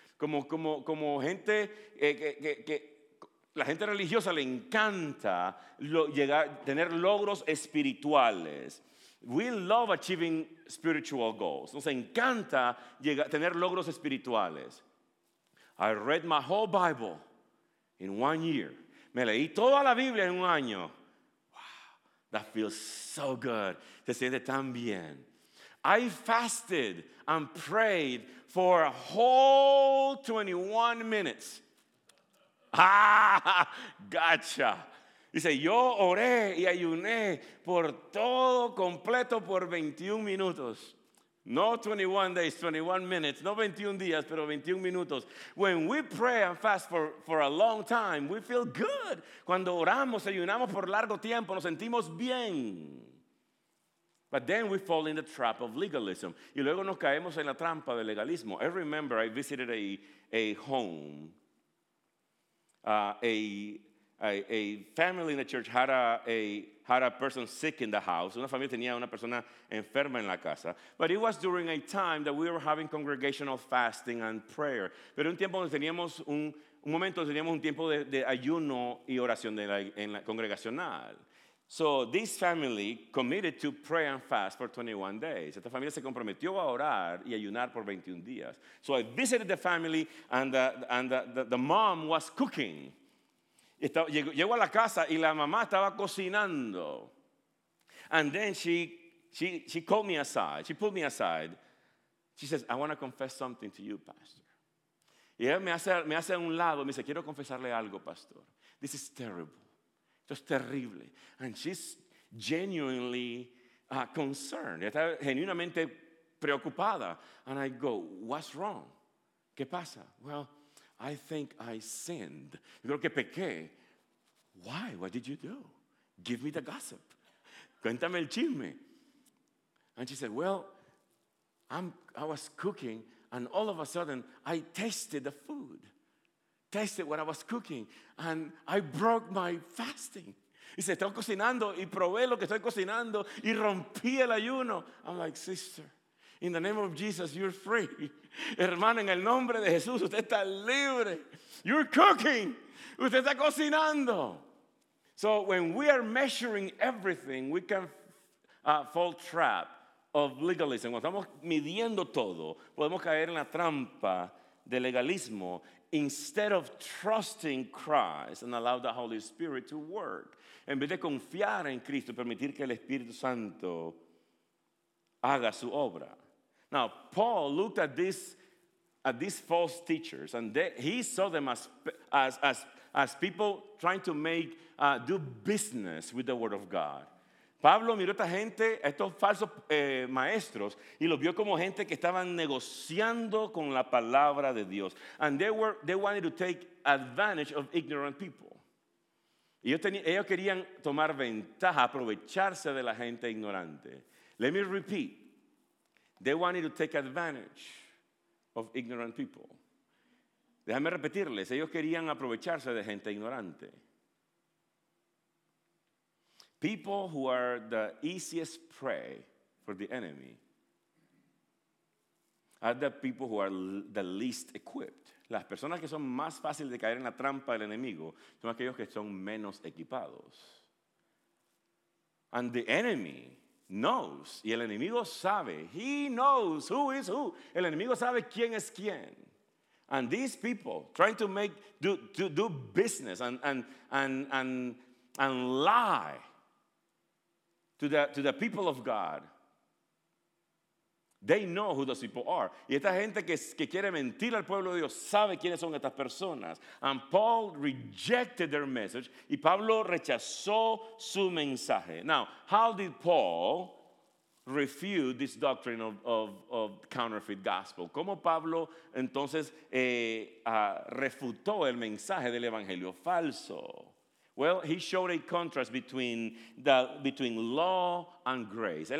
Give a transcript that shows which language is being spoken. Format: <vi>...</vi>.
<es>Como gente que la gente religiosa le encanta tener logros espirituales.</es> <en>We love achieving spiritual goals.</en> <es>Nos encanta tener logros espirituales.</es> <en>I read my whole Bible in one year.</en> <es>Me leí toda la Biblia en un año.</es> <en>Wow, that feels so good.</en> <es>Se siente tan bien.</es> <en>I fasted and prayed for a whole 21 minutes. Gotcha.</en> <es>Dice, yo oré y ayuné por todo completo por 21 minutos.</es> <en>No 21 days, 21 minutes.</en> <es>No 21 días, pero 21 minutos.</es> <en>When we pray and fast for a long time, we feel good.</en> <es>Cuando oramos, ayunamos por largo tiempo, nos sentimos bien.</es> <en>But then we fall in the trap of legalism.</en> <es>Y luego nos caemos en la trampa del legalismo.</es> <en>I remember I visited a home. A family in the church had a person sick in the house.</en> <es>Una familia tenía una persona enferma en la casa.</es> <en>But it was during a time that we were having congregational fasting and prayer.</en> <es>Pero un tiempo teníamos un momento donde teníamos un tiempo de ayuno y oración en la congregacional.</es> <en>So this family committed to pray and fast for 21 days.</en> <es>Esta familia se comprometió a orar y ayunar por 21 días.</es> <en>So I visited the family and the mom was cooking.</en> <es>Llegó a la casa y la mamá estaba cocinando.</es> <en>And then she called me aside. She pulled me aside. She says, I want to confess something to you, pastor.</en> <es>Y ella me hace a un lado. Me dice, quiero confesarle algo, pastor.</es> <en>This is terrible.</en> <es>Es terrible.</es> <en>And she's genuinely concerned.</en> <es>Está genuinamente preocupada.</es> <en>And I go, what's wrong?</en> <es>¿Qué pasa?</es> <en>Well, I think I sinned.</en> <es>Yo creo que pequé.</es> <en>Why? What did you do? Give me the gossip.</en> <es>Cuéntame el chisme.</es> <en>And she said, well, I was cooking and all of a sudden I tasted the food. Tasted what I was cooking, and I broke my fasting.</en> <es>Y se está cocinando y probé lo que estoy cocinando y rompí el ayuno.</es> <en>I'm like, sister, in the name of Jesus, you're free.</en> <es>Hermana, en el nombre de Jesús, usted está libre.</es> <en>You're cooking.</en> <es>Usted está cocinando.</es> <en>So when we are measuring everything, we can fall trap of legalism.</en> <es>Cuando estamos midiendo todo, podemos caer en la trampa de legalismo</es> <en>instead of trusting Christ and allow the Holy Spirit to work.</en> <es>En vez de confiar en Cristo, permitir que el Espíritu Santo haga su obra.</es> <en>Now, Paul looked at these false teachers, and he saw them as people trying to make do business with the Word of God.</en> <es>Pablo miró a esta gente, a estos falsos maestros, y los vio como gente que estaban negociando con la palabra de Dios.</es> <en>And they wanted to take advantage of ignorant people.</en> <es>Ellos querían tomar ventaja, aprovecharse de la gente ignorante.</es> <en>Let me repeat. They wanted to take advantage of ignorant people.</en> <es>Déjame repetirles. Ellos querían aprovecharse de gente ignorante.</es> <en>People who are the easiest prey for the enemy are the people who are the least equipped.</en> <es>Las personas que son más fáciles de caer en la trampa del enemigo son aquellos que son menos equipados.</es> <en>And the enemy knows,</en> <es>y el enemigo sabe,</es> <en>he knows who is who.</en> <es>El enemigo sabe quién es quién.</es> <en>And these people trying to make do business and lie to the people of God. They know who those people are.</en> <es>Y esta gente que quiere mentir al pueblo de Dios sabe quiénes son estas personas.</es> <en>And Paul rejected their message.</en> <es>Y Pablo rechazó su mensaje.</es> <en>Now, how did Paul refute this doctrine of counterfeit gospel?</en> <es>¿Cómo Pablo entonces refutó el mensaje del evangelio falso?</es> <en>Well, he showed a contrast between law and grace.</en>